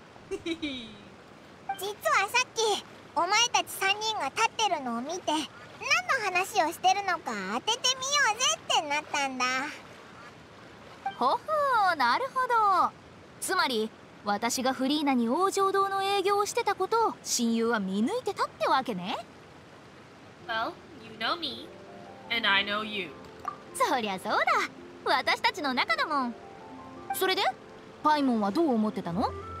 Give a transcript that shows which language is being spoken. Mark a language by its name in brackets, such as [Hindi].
[Japanese] 実はさっき、お前たち3人が立ってるのを見て、何の話をしてるのか当ててみようぜってなったんだ。ほほう、なるほど。つまり私がフリーナに王城堂の営業をしてたことを親友は見抜いてたってわけね。 [English] Well, you know me, and I know you. [Japanese] そりゃそうだ。私たちの仲だもん。それで、パイモンはどう思ってたの？